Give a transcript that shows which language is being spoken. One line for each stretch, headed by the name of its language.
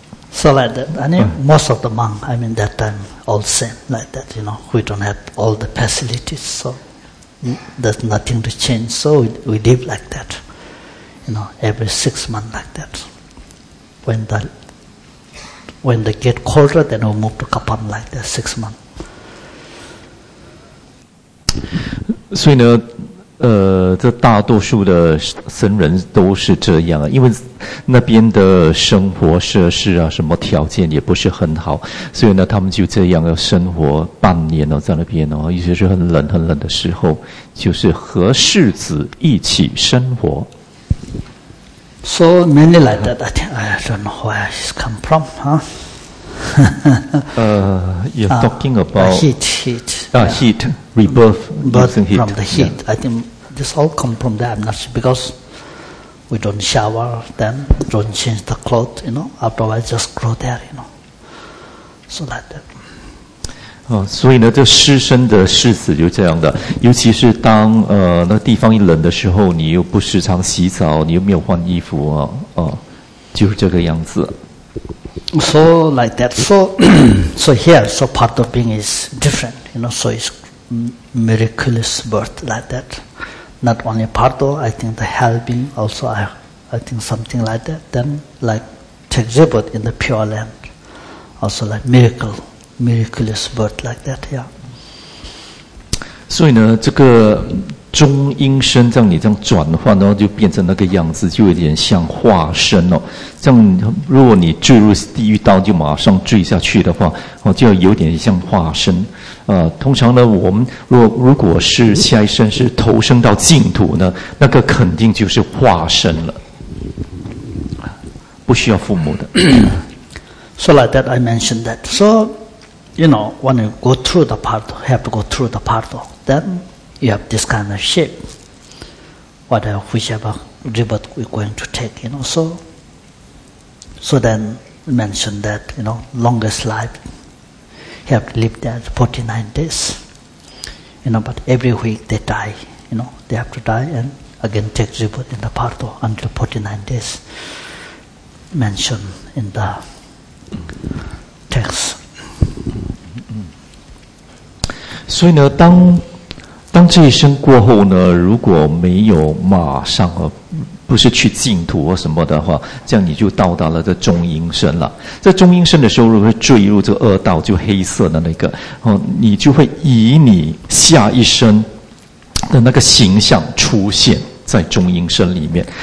English: So like that, and most of the monk, I mean that time, all same like that, you know, we don't have all the facilities, so there's nothing to change, so we live like that, you know, every 6 months like that. When they get colder, then we move to Kapan like that, 6 months. So, you know,
Chinese: 这大多数的僧人都是这样啊，因为那边的生活设施啊，什么条件也不是很好，所以呢，他们就这样要生活半年哦，在那边哦，尤其是很冷很冷的时候，就是和世子一起生活。
English: So many like that, I think, I don't know where it's come from, huh? You're talking about heat. Heat. Rebirth using heat. From the heat. Yeah. I think this all come from there. I'm not sure because we don't shower them, don't change the clothes, you know. After a while, just grow there, you know. So like that.
Chinese: 所以呢，这湿身的柿子就这样的。尤其是当那地方一冷的时候，你又不时常洗澡，你又没有换衣服啊，就是这个样子。
English: So like that. So, so here, so part of being is different, you know. So it's. Miraculous birth like that. Not only Pardo, I think the helping also, I think something like that. Then, like, take Zibut in the Pure Land. Also, like, miraculous birth like that, yeah.
Chinese: 所以呢，这个中阴身像你这样转换，然后就变成那个样子，就有点像化身哦。这样，如果你坠入地狱道，就马上坠下去的话，哦，就有点像化身。通常呢，我们如果是下一生是投生到净土呢，那个肯定就是化身了，不需要父母的。
English: So like that, I mentioned that. So, you know, when you go through the part, have to go through the part of them. You have this kind of shape, whichever rebirth we're going to take, you know. So then mentioned that, you know, longest life, you have to live there 49 days, you know, but every week they die, you know, they have to die and again take rebirth in the Pardo until 49 days, mentioned in the text.
Chinese: 所以呢，当这一生过后呢，如果没有马上啊，不是去净土或什么的话，这样你就到达了这中阴身了。在中阴身的时候，如果坠入这恶道，就黑色的那个，哦，你就会以你下一生的那个形象出现在中阴身里面。